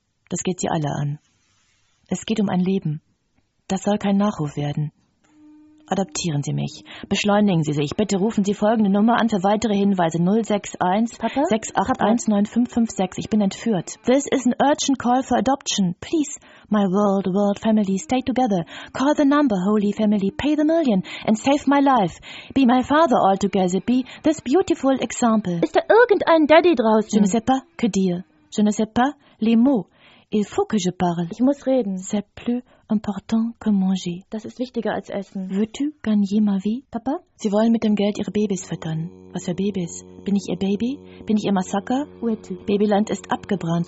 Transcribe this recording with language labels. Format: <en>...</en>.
<de>Das geht Sie alle an. Es geht um ein Leben. Das soll kein Nachruf werden. adoptieren Sie mich. Beschleunigen Sie sich. Bitte rufen Sie folgende Nummer an für weitere Hinweise. 061-681-9556. Ich bin entführt.</de> <en>This is an urgent call for adoption. Please, my world, world family, stay together. Call the number, holy family, pay the million and save my life. Be my father altogether. Be this beautiful example.</en> <de>Ist da irgendein Daddy draußen?</de> <fr>Je ne sais pas que dire. Je ne sais pas les mots. Il faut que je parle.</fr> <de>Ich muss reden.</de> <fr>C'est plus important que manger.</fr> <de>Das ist wichtiger als essen.</de> <fr>Veux-tu gagner ma vie, Papa?</fr> <de>Sie wollen mit dem Geld ihre Babys füttern. Was für Babys? Bin ich ihr Baby? Bin ich ihr Massaker?</de> <fr>Où es-tu?</fr> <de>Babyland ist abgebrannt.</de>